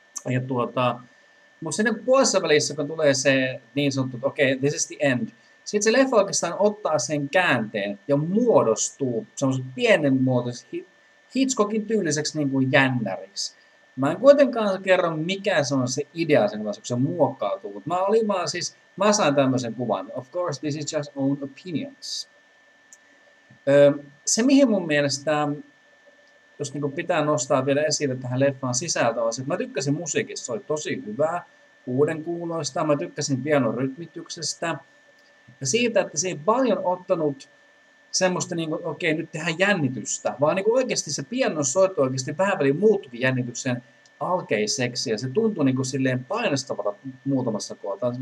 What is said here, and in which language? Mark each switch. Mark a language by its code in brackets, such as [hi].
[fi] Ja mutta sinne puolessa välissä, kun tulee se niin sanottu, että okei, [en] this is the end. [fi] Sitten se leffa oikeastaan ottaa sen käänteen ja muodostuu semmoisen pienen muotoisen Hitchcockin tyyliseksi niin kuin jännäriksi. Mä en kuitenkaan kerro, mikä se on se idea sen kanssa, kun se muokkautuu. Mutta mä sain tämmöisen kuvan. [en] Of course, this is just own opinions. [fi] Se, mihin mun mielestä, jos niin kuin pitää nostaa vielä esille tähän leffaan sisältöön, on se, että mä tykkäsin musiikista. Se oli tosi hyvää, uuden kuuloista. Mä tykkäsin pianon rytmityksestä. Ja siitä, että se ei paljon ottanut semmoista, niin kuin, okei, nyt tehdään jännitystä, vaan niin kuin oikeasti se pianon soitto oikeasti vähän väliin muuttukin jännityksen alkeiseksi, ja se tuntui niin kuin silleen painostavalta muutamassa kohtaa.